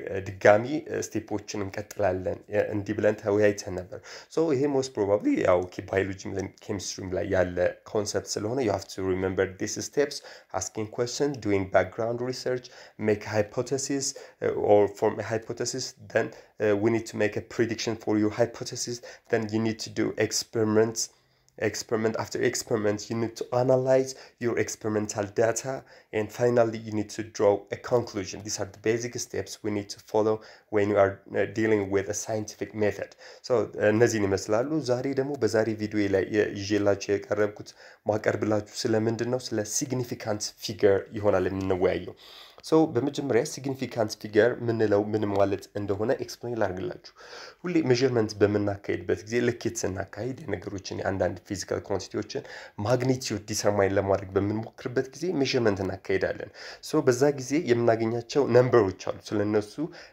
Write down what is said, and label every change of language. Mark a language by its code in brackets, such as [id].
[am] ድጋሚ ስቴፖችን እንቀጥላለን፣ እንዲህ ብለን ተወያይተን ነበር። [en] ሶ ይሄ ሞስት ፕሮባብሊ [am] ያው ባዮሎጂም ኬሚስትሪም ላይ ያለ ኮንሰፕት ስለሆነ [en] ዩ ሃቭ ቱ ሪሜምበር ዲስ ስቴፕስ አስኪንግ ኩዌስችን ዱዊንግ ባክግራውንድ ሪሰርች ሜክ ሃይፖቴሲስ ኦር ፎርም ሃይፖቴሲስ ደን we need to make a prediction for your hypothesis, then you need to do experiments, experiment after experiment, you need to analyze your experimental data, and finally you need to draw a conclusion. These are the basic steps we need to follow when you are dealing with a scientific method. [am] So እነዚህን ይመስላሉ። ዛሬ ደግሞ በዛሬ ቪዲዮ ላይ ይዤላችሁ የቀረብኩት ማቀርብላችሁ ስለምንድን ነው? ስለ significant figure ይሆናል የምንወያየው። ሶ በመጀመሪያ ሲግኒፊካንት ፊገር ምንለው ምን ማለት እንደሆነ ኤክስፕሌን ላድርግላችሁ። ሁሌ ሜዥርመንት በምናካሄድበት ጊዜ ልኬት ስናካሄድ የነገሮችን የአንዳንድ ፊዚካል ኳንቲቲዎችን ማግኒቲዩድ ዲተርማይን ለማድረግ በምንሞክርበት ጊዜ ሜዥርመንት እናካሄዳለን። ሶ በዛ ጊዜ የምናገኛቸው ነምበሮች አሉ። ስለነሱ